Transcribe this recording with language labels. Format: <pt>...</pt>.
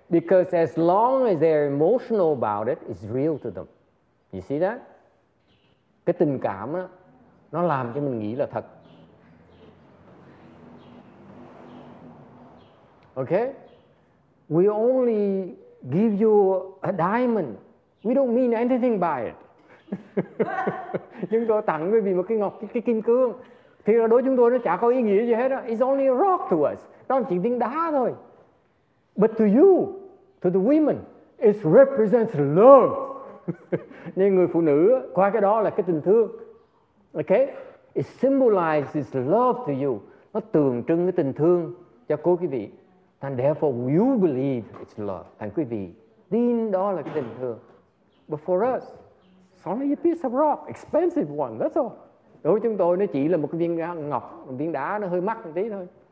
<en>Because as long as they're emotional about it, it's real to them. You see that?</en> <vi>Cái tình cảm đó, nó làm cho mình nghĩ là thật.</vi> <en>Okay? We only give you a diamond. We don't mean anything by it.</en> <vi>Chúng tôi tặng quý vị một cái ngọc, cái kim cương. Thì đối với chúng tôi nó chả có ý nghĩa gì hết.</vi> <en>It's only a rock to us.</en> <vi>Nó chỉ viên đá thôi.</vi> <en>But to you, to the women, it represents love.</en> <vi>Nên người phụ nữ qua cái đó là cái tình thương. Okay?</vi> <en>It symbolizes love to you.</en> <vi>Nó tượng trưng cái tình thương cho cô quý vị.</vi> <en>And therefore you believe it's love. And</en> <vi>quý vị tin đó là cái tình thương.</vi> <en>But for us, it's only a piece of rock, expensive one, that's all.</en> <vi>Đối với chúng tôi nó chỉ là một cái viên ngọc, một viên đá nó hơi mắc một tí thôi.</vi>